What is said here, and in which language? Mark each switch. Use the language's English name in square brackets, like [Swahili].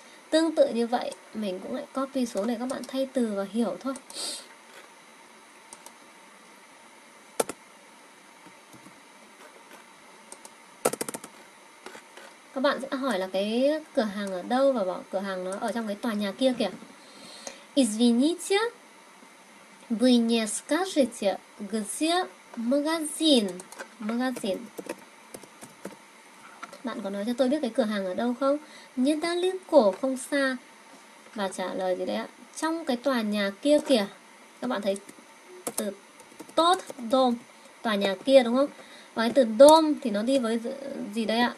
[Vietnamese] Tương tự như vậy, mình cũng lại copy xuống để các bạn thay từ và hiểu thôi. Các bạn sẽ hỏi là cái cửa hàng ở đâu và bảo cửa hàng nó ở trong cái tòa nhà kia kìa. [Russian] Извините, вы не скажете, где магазин? Магазин. [Vietnamese] Bạn có нói cho tôi biết cái cửa hàng ở đâu không? Недалеко, không xa. Và trả lời gì đấy ạ? Trong cái tòa nhà kia kìa. Các bạn thấy từ tốt, дом, tòa nhà kia đúng không? Và cái từ дом thì nó đi với gì đây ạ?